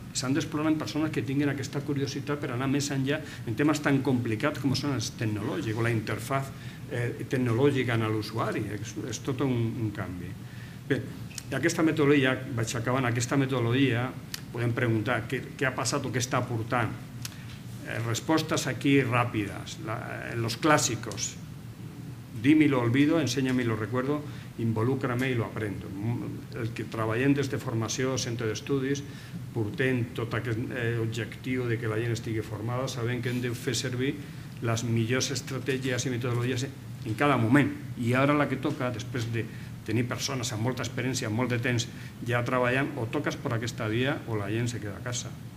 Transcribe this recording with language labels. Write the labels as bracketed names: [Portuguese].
[Catalan] S'han d'explorar en persones que tinguin aquesta curiositat per anar més enllà en temes tan complicats com són els tecnològics o la interfaz tecnològica en l'usuari. És tot un canvi. Bé, aquesta metodologia, vaig acabant, aquesta metodologia, podem preguntar què ha passat o què està aportant. Respostes aquí ràpides. [Spanish] Los clàssicos. Dime y lo olvido, enséñame y lo recuerdo, involúcrame y lo aprendo. [Catalan] El que treballem des de formació, centre d'estudis, portem tot aquest objectiu de que la gent estigui formada, sabem que hem de fer servir les millors estratègies i metodologies en cada moment. I ara la que toca, després de tenir persones amb molta experiència, amb molt de temps, ja treballant, o toques per aquesta via o la gent se queda a casa.